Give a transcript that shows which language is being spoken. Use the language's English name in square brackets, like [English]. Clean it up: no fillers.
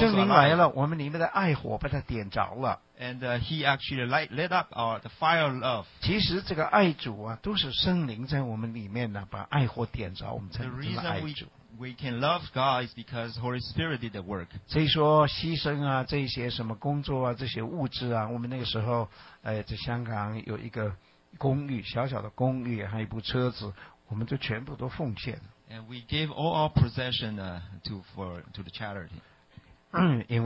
[Chinese] 圣灵来了，我们里面的爱火把它点着了。 [English] And He actually lit up the fire of love. [Chinese] 其实这个爱主啊，都是圣灵在我们里面呢，把爱火点着，我们才能成为爱主。 [English] We can love God is because Holy Spirit did the work. [Chinese] 所以说牺牲啊，这些什么工作啊，这些物质啊，我们那个时候，在香港有一个公寓，小小的公寓，还有一部车子。我们就全部都奉献, [English] and we gave all our possession to the charity.